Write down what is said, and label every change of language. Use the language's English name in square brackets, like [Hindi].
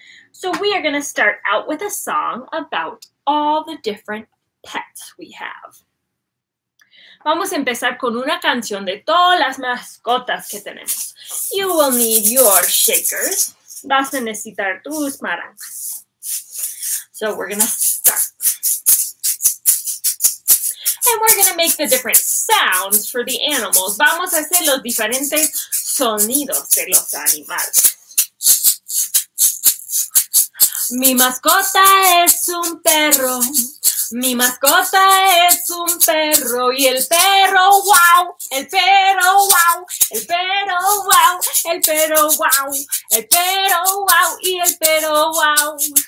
[English] So we are going to start out with a song about all the different pets we have. [Spanish] Vamos a empezar con una canción de todas las mascotas que tenemos. [English] You will need your shakers. [Spanish] Vas a necesitar tus maracas. [English] So we're going to start. And we're going to make the different sounds for the animals. [Spanish] Vamos a hacer los diferentes sonidos de los animales. Mi mascota es un perro. Mi mascota es un perro y el perro wow, el perro wow, el perro wow, el perro wow, el perro wow y el perro wow.